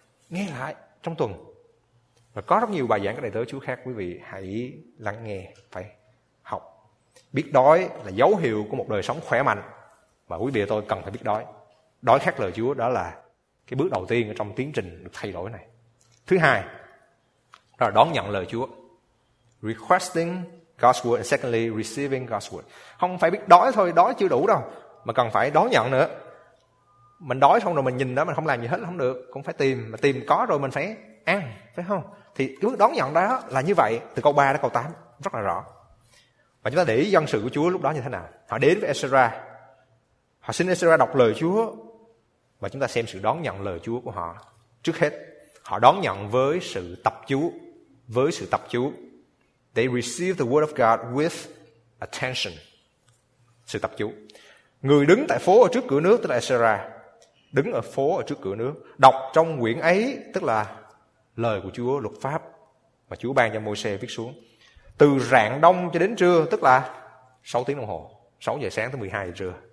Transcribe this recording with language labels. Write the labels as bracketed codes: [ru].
[vi] Nghe lại trong tuần. Và có rất nhiều bài giảng các đại tớ Chúa khác, quý vị hãy lắng nghe, phải học. Biết đói là dấu hiệu của một đời sống khỏe mạnh. Và quý vị và tôi cần phải biết đói. Đói khát lời Chúa đó là cái bước đầu tiên ở trong tiến trình được thay đổi này. Thứ hai, đó là đón nhận lời Chúa. [en] Requesting God's word and secondly receiving God's word. [vi] Không phải biết đói thôi, đói chưa đủ đâu. Mà cần phải đón nhận nữa. Mình đói xong rồi mình nhìn đó, mình không làm gì hết là không được. Cũng phải tìm, mà tìm có rồi mình phải ăn, phải không? Thì cái mức đón nhận đó là như vậy, từ câu 3 đến câu 8 rất là rõ. Và chúng ta để ý dân sự của Chúa lúc đó như thế nào. Họ đến với Ezra, họ xin Ezra đọc lời Chúa, và chúng ta xem sự đón nhận lời Chúa của họ. Trước hết, họ đón nhận với sự tập chú, với sự tập chú. [en] They receive the word of God with attention. [vi] Sự tập chú. Người đứng tại phố ở trước cửa nước, tức là Ezra, đứng ở phố ở trước cửa nước, đọc trong quyển ấy, tức là lời của Chúa, luật pháp mà Chúa ban cho Môi-se viết xuống. Từ rạng đông cho đến trưa, tức là 6 tiếng đồng hồ, 6 giờ sáng tới 12 giờ trưa.